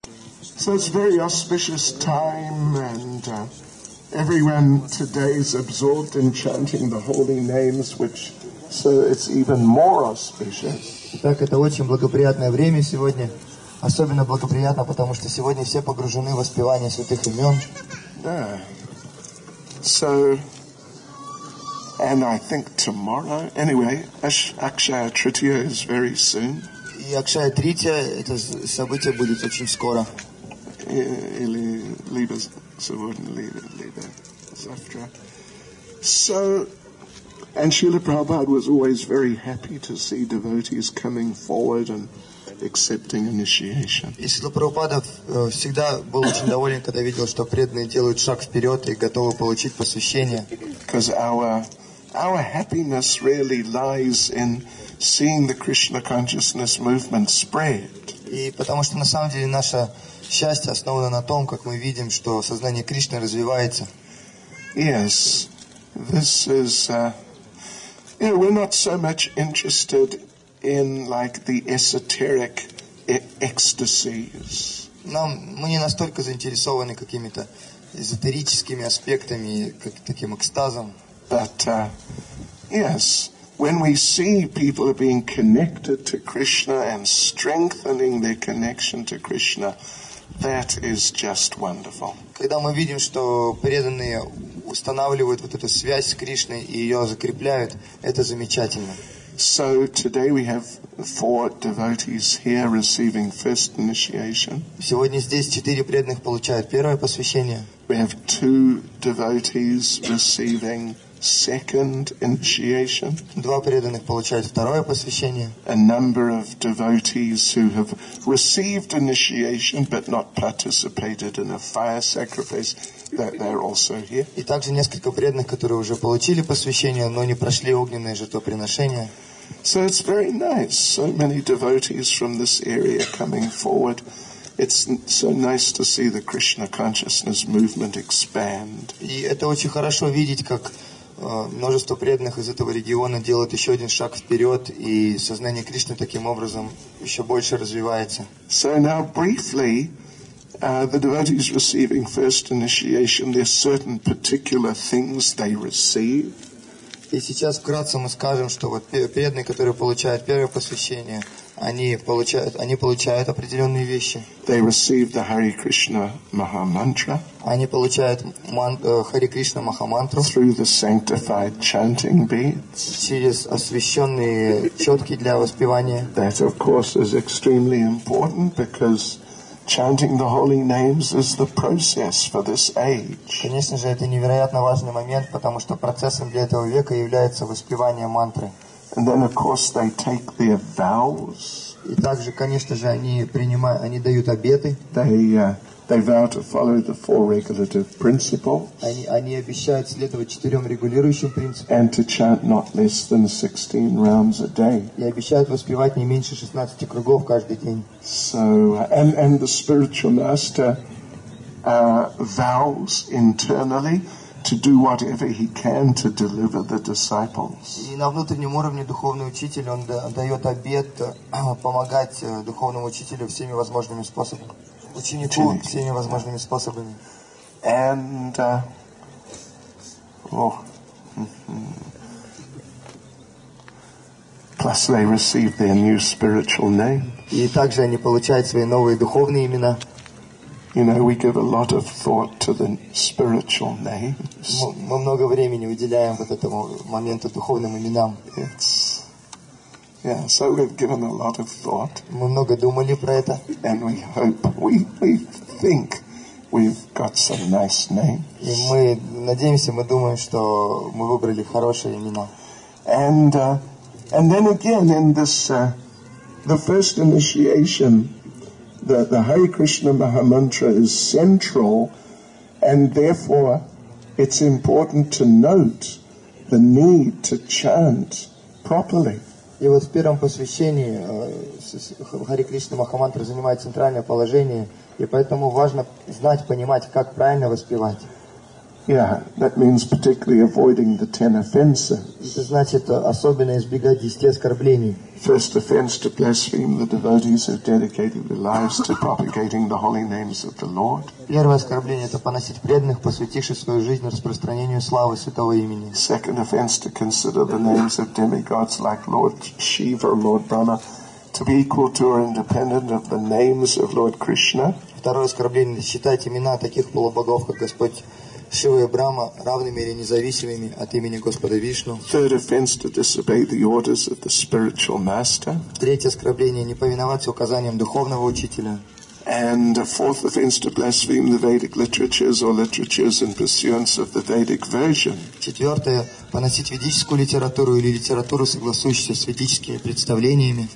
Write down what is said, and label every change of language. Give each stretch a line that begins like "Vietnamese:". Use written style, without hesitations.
English: So it's a very auspicious time, and everyone today is absorbed in chanting the holy names, which so it's even more auspicious.
Russian: Так это очень благоприятное время сегодня, особенно благоприятно, потому что сегодня все погружены в воспевание святых имен.
English: So, and I think tomorrow, anyway, Akshaya Tritiya is very soon.
Russian: И Акшая Тритья, это событие будет очень скоро. Или либо сегодня, либо завтра.
English: So, and Srila Prabhupada was always very happy to see devotees coming forward and accepting initiation.
Russian: И Шрила Прабхупада всегда был очень доволен, когда видел, что преданные делают шаг вперед и готовы получить посвящение.
English: Because our happiness really lies in seeing the Krishna consciousness movement spread.
Russian: И потому что на самом деле наша счастье основано на том, как мы видим, что сознание Кришны развивается.
English: Yes, this is. You know, we're not so much interested in like the esoteric ecstasies.
Russian: Нам мы не настолько заинтересованы какими-то эзотерическими аспектами, как таким экстазом.
English: But yes, when we see people are being connected to Krishna and strengthening their connection to Krishna. That is just wonderful.
Russian: Когда мы видим, что преданные устанавливают вот эту связь с Кришной и ее закрепляют, это замечательно.
English: So today we have four devotees here receiving first initiation.
Russian: Сегодня здесь четыре преданных получают первое посвящение.
English: We have two devotees receiving second initiation.
Russian: Два преданных получают второе посвящение.
English: A number of devotees who have received initiation but not participated in a fire sacrifice, that they're also here.
Russian: И также несколько преданных, которые уже получили посвящение, но не прошли огненное жертвоприношение.
English: So it's very nice. So many devotees from this area coming forward. It's so nice to see the Krishna consciousness movement expand.
Russian: И это очень хорошо видеть, как множество преданных из этого региона делают еще один шаг вперед, и сознание Кришны таким образом еще больше развивается.
English: So now briefly, the devotees receiving first initiation, there are certain particular things they receive.
Russian: И сейчас вкратце мы скажем, что вот преданные, которые получают первое посвящение, они получают определенные вещи.
English: They receive the Hare Krishna Maha Mantra.
Russian: Они получают Hare Krishna Maha Mantra.
English: Through the sanctified chanting beads.
Russian: Через освященные четки для воспевания.
English: That of course is extremely important because chanting the holy names is the process for this age.
Russian: Конечно же, это невероятно важный момент, потому что процессом для этого века является воспевание мантры.
English: And then, of course, they take their vows.
Russian: И также, конечно же, они дают обеты.
English: They vow to follow the four regulative principles.
Russian: Они обещают следовать четырем регулирующим принципам.
English: And to chant not less than 16 rounds a day.
Russian: И обещают воспевать не меньше 16 кругов каждый день.
English: So and the spiritual master vows internally to do whatever he can to deliver the disciples.
Russian: И на внутреннем уровне духовный учитель он дает обет помогать духовному учителю всеми возможными способами. Ученику всеми возможными способами.
English: And plus they receive their new spiritual name.
Russian: И также они получают свои новые духовные имена.
English: You know, we give a lot of thought to the spiritual names.
Russian: Мы много времени уделяем вот этому моменту духовным именам.
English: Yeah, so we've given a lot of thought.
Russian: Мы много думали про это.
English: And we hope, we think we've got some nice names.
Russian: И мы надеемся, мы думаем, что мы выбрали хорошие имена.
English: And then again in this the first initiation, the Hare Krishna Maha Mantra is central, and therefore it's important to note the need to chant properly.
Russian: И вот в первом посвящении Хари Кришна Махамантра занимает центральное положение, и поэтому важно знать, понимать, как правильно воспевать.
English: Yeah, that means particularly avoiding the 10 offenses.
Russian: Это значит особенно избегать 10 оскорблений.
English: First offense to blaspheme the devotees who have dedicated their lives to propagating the holy names of the Lord.
Russian: Первое оскорбление это поносить преданных, посвятивших свою жизнь распространению славы святого имени.
English: Second offense to consider the names of demigods like Lord Shiva or Lord Brahma to be equal to or independent of the names of Lord Krishna.
Russian: Второе оскорбление считать имена таких полубогов, как Господь Шива и Брама равными или независимыми от имени Господа Вишну.
English: Third offense to disobey the orders of the spiritual master.
Russian: Третье оскорбление не повиноваться указаниям духовного учителя.
English: And a fourth offense to blaspheme the Vedic literatures or literatures in pursuance of the Vedic version.
Russian: Четвертое поносить ведическую литературу или литературу согласующуюся с ведическими представлениями.